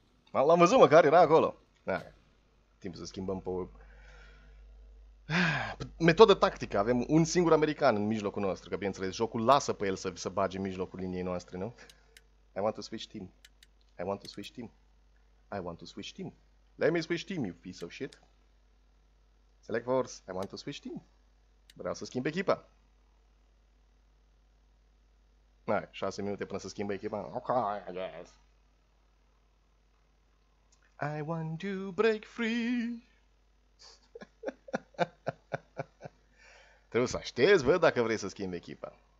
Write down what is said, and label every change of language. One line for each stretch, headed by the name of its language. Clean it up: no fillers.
Romanian: L-am văzut măcar, era acolo. Da. Timp să schimbăm pe... Metodă tactică, avem un singur american în mijlocul nostru, că bineînțeles, jocul lasă pe el să bage în mijlocul liniei noastre, nu?
English: I want to switch team. I want to switch team. I want to switch team. Let me switch team, you piece of shit. Select force, I want to switch team.
Romanian: Vreau să schimb echipa. Hai, 6 minute până să schimbă echipa.
English: Ok, I guess. I want to break free.
Romanian: Trebuie să aștezi, bă, dacă vrei să schimbi echipa.